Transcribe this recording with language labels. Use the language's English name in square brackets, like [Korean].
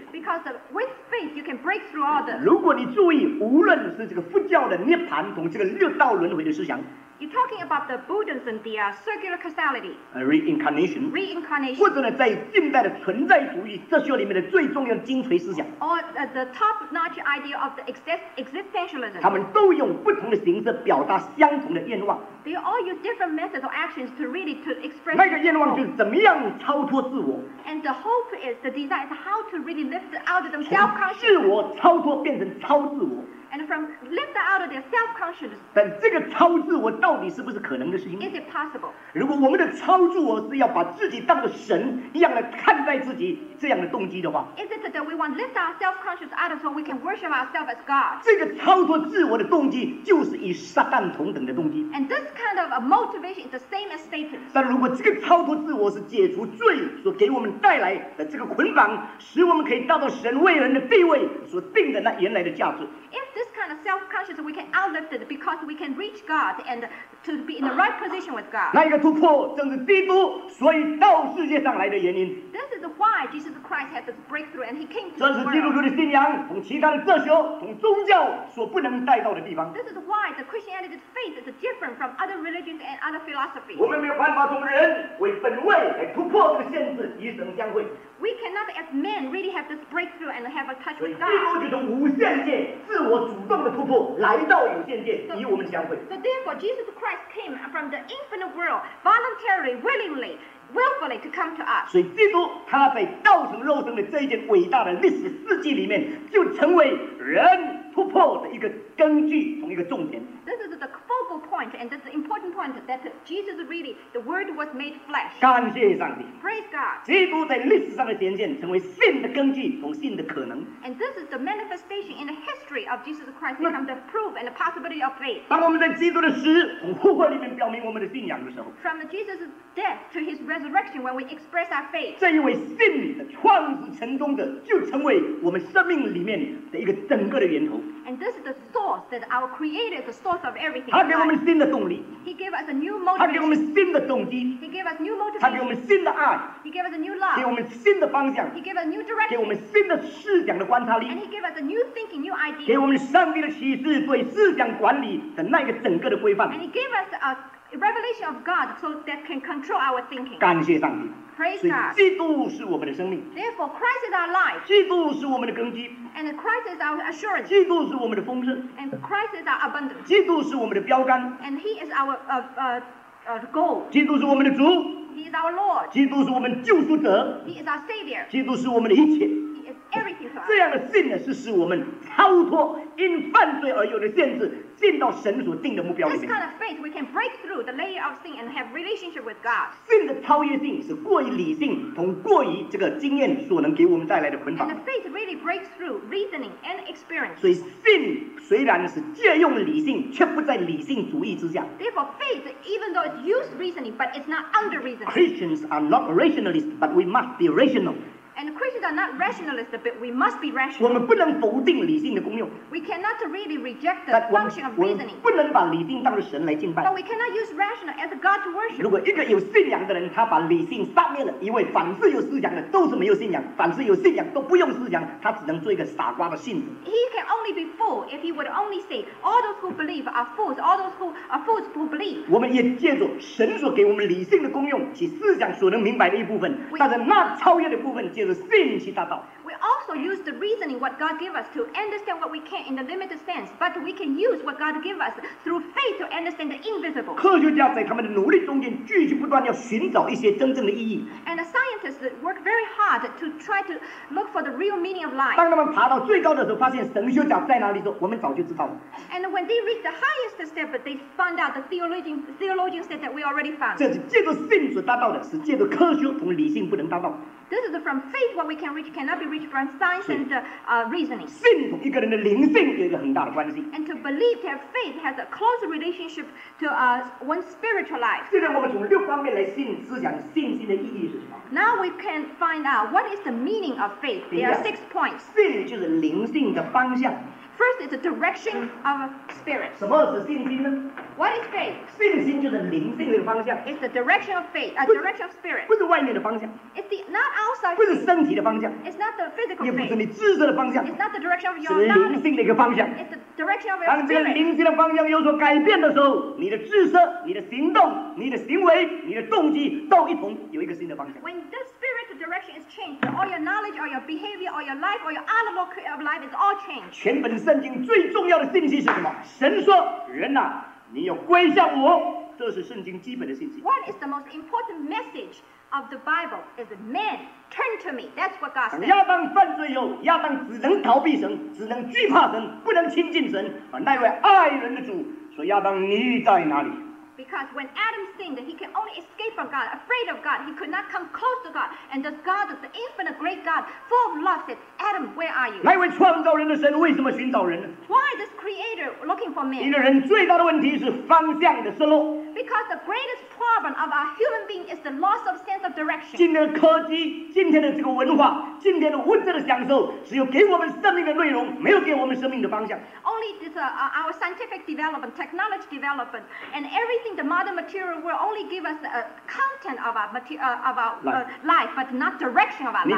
[English] Because with faith you can break through all this. [Chinese] 如果你注意，无论是这个佛教的涅槃同这个六道轮回的思想。 [English] You're talking about the Buddhism, the circular causality. Reincarnation. Reincarnation. [Chinese] 或者呢，在近代的存在主义哲学里面的最重要精髓思想。 [English] Or the top-notch idea of the existentialism. [Chinese] 他们都用不同的形式表达相同的愿望。 [English] They all use different methods or actions to really to express. [Chinese] 那个愿望就是怎么样超脱自我。 [English] And the hope is the desire is how to really lift out of them self-consciousness. [Chinese] 从自我超脱变成超自我。 [English] And from lift out of their self-conscious. [Chinese] 但这个超自我到底是不是可能的事情？ [English] Is it possible? [Chinese] 如果我们的超自我是要把自己当作神一样的看待自己这样的动机的话， [English] Is it that we want to lift our self-conscious out of so we can worship ourselves as God? [Chinese] 这个超脱自我的动机就是与撒旦同等的动机。 [English] And this kind of a motivation is the same as Satan. [Chinese] 但如果这个超脱自我是解除罪所给我们带来的这个捆绑，使我们可以达到神为人的地位所定的那原来的价值。 [English] If this kind of self-conscious we can outlift it because we can reach God and to be in the right position with God. [Chinese] 那一个突破正是基督所以到世界上来的原因。 [English] This is why Jesus Christ had this breakthrough and he came to the world. [Chinese] 这是基督徒的信仰从其他的哲学从宗教所不能带到的地方。 [English] This is why the Christianity's faith is different from other religions and other philosophies. [Chinese] 我们没有办法从人为本位来突破这个限制与神相会。 [English] We cannot as men really have this breakthrough and have a touch with God. [Chinese] 所以基督就从无限界自我主动的突破来到有限界与我们相会。 [English] So therefore Jesus Christ came from the infinite world voluntarily, willingly, willfully to come to us. [Chinese] 所以基督他在道成肉身的这一件伟大的历史事迹里面就成为人突破的一个根据同一个重点。 [English] This is the focal point and this is the important point that Jesus really, the word was made flesh. [Chinese] 感谢上帝。 [English] Praise God. [Chinese] 基督在历史上的显现成为信的根据同信的可能。 [English] And this is the manifestation in the history of Jesus Christ become the proof and the possibility of faith. [Chinese] 当我们在基督的死从复活里面表明我们的信仰的时候。 [English] From Jesus' death to his resurrection when we express our faith. [Chinese] 这一位信的创始成终的就成为我们生命里面的一个整个的源头。 [English] And this is the source that our creator is the source of everything. [Chinese] 他给我们新的动力。 [English] He gave us a new motivation. [Chinese] 他给我们新的动机。 [English] He gave us new motivation. [Chinese] 他给我们新的爱。 [English] He gave us a new love. [Chinese] 给我们新的方向。 [English] He gave us a new direction. [Chinese] 给我们新的思想的观察力。 [English] And he gave us a new thinking, new idea. [Chinese] 给我们上帝的启示对思想管理的那个整个的规范。 [English] And he gave us a revelation of God so that can control our thinking. [Chinese] 感谢上帝。 [English] Praise God. [Chinese] 所以基督是我们的生命。 [English] Therefore, Christ is our life. [Chinese] 基督是我们的根基。 [English] And Christ is our assurance. [Chinese] 基督是我们的丰盛。 [English] And Christ is our abundance. [Chinese] 基督是我们的标杆。 [English] And he is our goal. [Chinese] 基督是我们的主。 [English] He is our Lord. [Chinese] 基督是我们救赎者。 [English] He is our Savior. [Chinese] 基督是我们的一切。 [English] He is everything to us. [Chinese] 这样的信是使我们超脱因犯罪而有的限制进到神所定的目标里面。 [English] This kind of faith, we can break through the layer of sin and have relationship with God. [Chinese] 信的超越性是过于理性同过于这个经验所能给我们带来的捆绑。 [English] And the faith really breaks through reasoning and experience. [Chinese] 所以信虽然是借用理性，却不在理性主义之下。 [English] Therefore, faith, even though it's used reasoning, but it's not under reasoning. Christians are not rationalists, but we must be rational. And Christians are not rationalists, but we must be rational. [Chinese] 我们不能否定理性的功用。 [English] We cannot really reject the function of reasoning. [Chinese] 我们不能把理性当作神来敬拜。 [English] But we cannot use rational as a God to worship. [Chinese] 如果一个有信仰的人，他把理性杀灭了，一位凡是有思想的都是没有信仰，凡是有信仰都不用思想，他只能做一个傻瓜的信子。 [English] He can only be fool if he would only say, all those who believe are fools, all those who are fools who believe. [Chinese] 我们也借助神所给我们理性的功用，其思想所能明白的一部分，但是那超越的部分借助 [English] We also use the reasoning what God gives us to understand what we can in the limited sense, but we can use what God gives us through faith to understand the invisible. [Chinese] 科学家在他们的努力中间，继续不断要寻找一些真正的意义。 [English] And the scientists work very hard to try to look for the real meaning of life. [Chinese] 当他们爬到最高的时候，发现神学家在哪里说，我们早就知道了。 [English] And when they reach the highest step, they found out the theologian said that we already found. [Chinese] 这是借助信所达到的，是借助科学同理性不能达到。 [English] This is from faith what we can reach cannot be reached from sight. science and reasoning. [Chinese] 信徒一个人的灵性也有很大的关系。 [English] And to believe, to have faith, has a close relationship to one's spiritual life. [Chinese] 现在我们从六方面来信思想信心的意义是什么？ [English] Now we can find out what is the meaning of faith. There are six points. [Chinese] 信就是灵性的方向。 [English] First is the direction of spirit. [Chinese] 什么是信心呢？ [English] What is faith? [Chinese] 信心就是灵性的方向。 [English] It's the direction of faith, direction of spirit. [Chinese] 不是外面的方向。 [English] It's the, not outside. [Chinese] 不是身体的方向。 [English] It's not the physical faith. [Chinese] 也不是你知识的方向。 [English] It's not the direction of your knowledge. [Chinese] 是灵性的一个方向。 [English] It's the direction of your spirit. [Chinese] 当这个灵性的方向有所改变的时候，你的知识、你的行动、你的行为、你的动机都一同有一个新的方向。 [English] When the spirit direction is changed, all your knowledge, all your behavior, all your life, all your outlook of life is all changed. [Chinese] 全本圣经最重要的信息是什么？神说：“人呐、啊，你要归向我。” 这是圣经基本的信息。 [English] What is the most important message of the Bible? Is man turn to me? That's what God said. [Chinese] 亚当犯罪后，亚当只能逃避神，只能惧怕神，不能亲近神。而那位爱人的主说：“亚当，你在哪里？” [English] Because when Adam sinned, he can only escape from God, afraid of God. He could not come close to God. And the God, the infinite great God, full of love, said, Adam, where are you? [Chinese] 那位创造人的神为什么寻找人呢？ [English] Why this creator looking for man? [Chinese] 一个人最大的问题是方向的失落。 [English] Because the greatest problem of our human being is the loss of sense of direction. [Chinese] 今天的科技，今天的这个文化，今天的物质的享受，只有给我们生命的内容，没有给我们生命的方向。 [English] Only this, our scientific development, technology development, and everything the modern material will only give us a content of our, life, but not direction of our life.